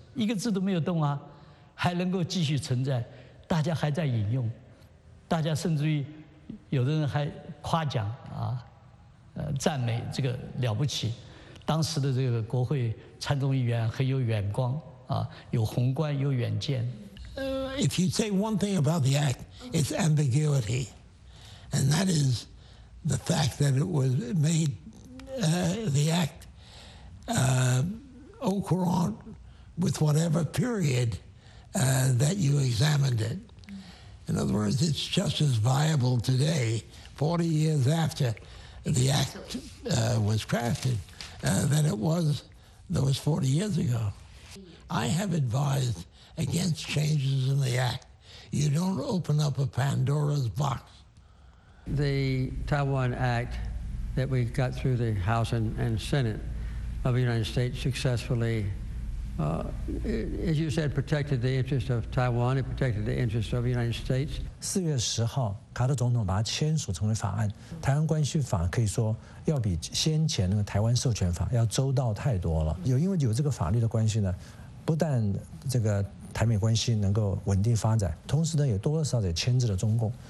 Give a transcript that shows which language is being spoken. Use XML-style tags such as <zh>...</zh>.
<zh>一个字都没有动啊，还能够继续存在，大家还在引用，大家甚至于有的人还夸奖啊，赞美这个了不起。当时的这个国会参众议员很有眼光啊，有宏观有远见。</zh> <en>If you say one thing about the act, it's ambiguity, and that is the fact that it was made. The act au courant with whatever period that you examined it. In other words, it's just as viable today, 40 years after the act was crafted, than it was those 40 years ago. I have advised against changes in the act. You don't open up a Pandora's box. The Taiwan Act. That we got through the House and Senate of the United States successfully, as you said, protected the interest of Taiwan, it protected the interest of the United States.</en> <zh>四月十号，卡特总统把它签署成为法案。台湾关系法可以说要比先前那个台湾授权法要周到太多了。有因为有这个法律的关系呢，不但这个台美关系能够稳定发展，同时呢也多多少少也牵制了中共。</zh>